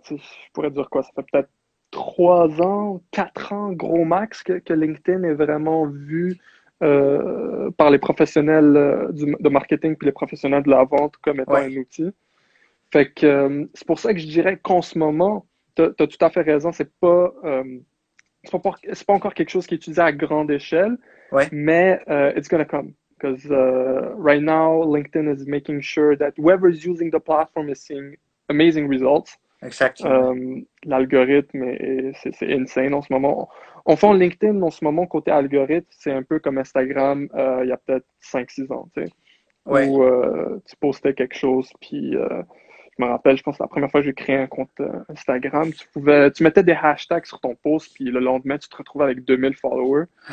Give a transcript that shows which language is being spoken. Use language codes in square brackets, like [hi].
[fr] Tu sais, je pourrais dire quoi? Ça fait peut-être 3 ans, 4 ans, gros max, que LinkedIn est vraiment vu par les professionnels de marketing puis les professionnels de la vente comme étant un Ouais. outil. Fait que c'est pour ça que je dirais qu'en ce moment, tu as tout à fait raison, c'est pas encore quelque chose qui est utilisé à grande échelle, Ouais. [en] mais it's gonna come. Because right now, LinkedIn is making sure that whoever is using the platform is seeing amazing results. [fr] Exactement. L'algorithme, c'est insane en ce moment. Enfin, LinkedIn, en ce moment, côté algorithme, c'est un peu comme Instagram il y a peut-être 5-6 ans, tu sais, Ouais. où tu postais quelque chose, puis je me rappelle, je pense que la première fois que j'ai créé un compte Instagram, tu mettais des hashtags sur ton post, puis le lendemain, tu te retrouvais avec 2000 followers.